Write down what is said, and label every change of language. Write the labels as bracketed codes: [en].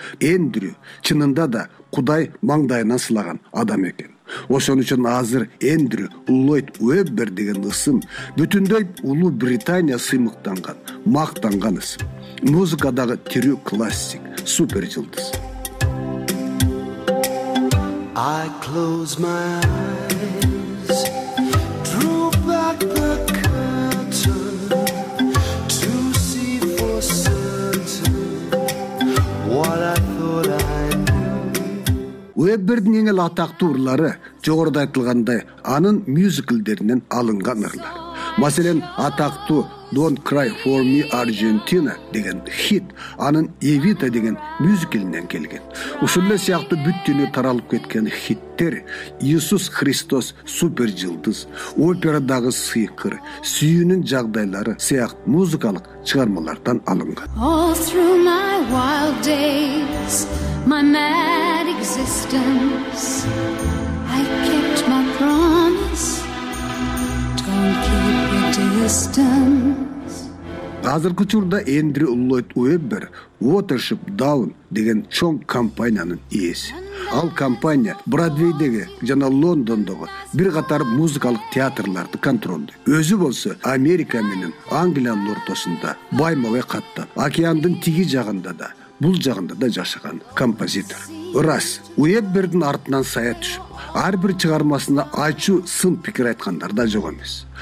[ky] Эндрю чынында да Кудай маңдайынан сылаган адам экен. Ошон үчүн азыр Эндрю Ллойд Уэббер деген ысым бүтүндөй Улуу Британия сыймыктанган, мактанган ысым. Музыкадагы тирүү классик, супер жылдыз. [en] I close my eyes, drew back the curtain to see for certain what I thought I knew. [ky] Уэббердин эң эле атактуу ырлары жогоруда айтылгандай анын мюзиклдеринен алынган ырлар. Маселен, атактуу Don't Cry For Me Argentina деген хит анын Evita деген мюзиклинен келген. Ушул эле сыяктуу бүт дүйнө таралып кеткен хиттер Иисус Христос супер жылдыз, операдагы сыйкыр, сүйүүнүн жагдайлары сыяктуу музыкалык чыгармалардан алынган. [en] All through my wild days, my mad existence, I kept my promise, don't keep your distance. [ky] Азыркы учурда Эндрю Ллойд Уэббер Watership Down деген чоң компаниянын ээси. Ал компания Бродвейдеги жана Лондондогу бир катар музыкалык театрларды контролдойт. Өзү болсо Америка менен Англиянын ортосунда байма-бай катта, океандын тиги жагында да, бул жагында да жашаган композитор. Ырас, Уэббердин артынан сая түшүп, ар бир чыгармасында ачуу сын пикир айткандар да жок эмес.